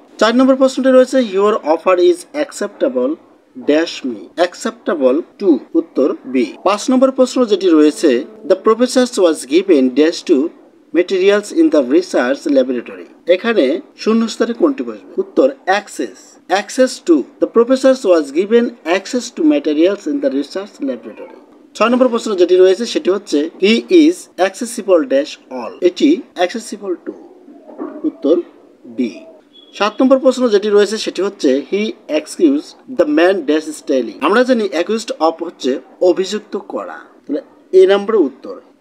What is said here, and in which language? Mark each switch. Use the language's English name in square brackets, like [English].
[Bangla] চার নম্বর প্রশ্নটি রয়েছে, [English] your offer is acceptable dash me, acceptable to, [Bangla] উত্তর বি। পাঁচ নম্বর প্রশ্ন যেটি রয়েছে, [English] the professor was given dash to materials in the research laboratory, [Bangla] এখানে শূন্য স্তরে কোনটি বসবে? উত্তর [English] access to, the professor was given access to materials in the research laboratory। [Bangla] ছয় নম্বর প্রশ্ন যেটি রয়েছে সেটি হচ্ছে, [English] he is accessible dash all, [Bangla] এটি accessible to, উত্তর b। সাত নম্বর প্রশ্ন যেটি রয়েছে সেটি হচ্ছে, [English] he accused the man dash styling, [Bangla] আমরা জানি অ্যাকিউজড অফ হচ্ছে অভিযুক্ত করা, তাহলে এ নম্বরে উত্তর।